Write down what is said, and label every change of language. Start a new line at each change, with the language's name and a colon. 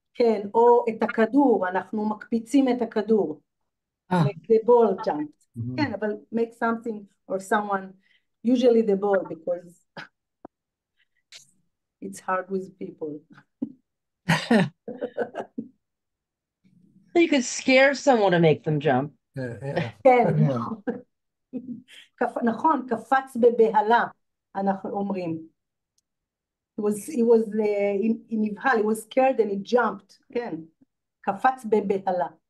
Hebrew: כן, או את הכדור, אנחנו מקפיצים את הכדור.
English: Make the ball jump.
Hebrew: כן, אבל
English: make something or someone, usually the ball, because it's hard with people. You could scare someone to make them jump.
Hebrew: כן, נכון, קפץ בבהלה, אנחנו אומרים.
English: He
Hebrew: נבהל,
English: he was scared and he jumped, כן.
Hebrew: קפץ בבהלה.